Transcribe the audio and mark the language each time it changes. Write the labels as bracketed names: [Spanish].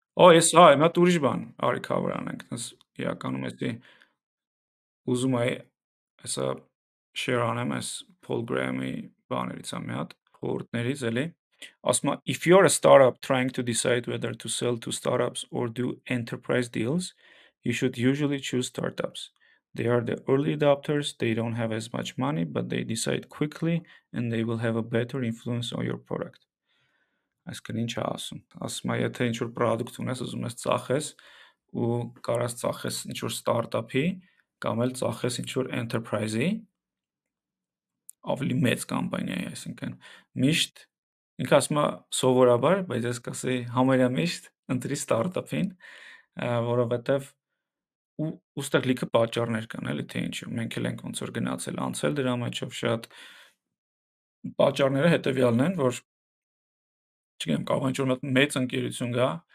[Armenian] օ ես, հա, մի հատ ուրիշ բան արի cover անենք, ես իրականում էսի ուզում եի այսա share անեմ այս Paul Graham-ի բաներից ամի հատ, խորհուրդներից էլի, ասում է, [English] if you're a startup trying to decide whether to sell to startups or do enterprise deals, you should usually choose startups. They are the early adopters, they don't have as much money, but they decide quickly and they will have a better influence on your product. [Armenian] Այսքան ինչ է ասում, ասում է, եթե ինչ-որ product ունես, ուզում ես ծախես ու կարաս ծախես ինչ-որ startup-ի, կամ էլ ծախես ինչ-որ enterprise-ի, ավելի մեծ կամպանիայի, այսինքն միշտ, ինքը ասում է սովորաբար, բայց ես կասի համարյա միշտ ընտրի ստարտափին, որովհետև ուստեղ լիքը պատճառներ կան, էլի, թե ինչու մենք էլ ենք ոնց որ գնացել անցել դրա մեջով, շատ պատճառները հետևյալն են, որ չգիտեմ, կարող ինչ-որ մեծ ընկերություն գա,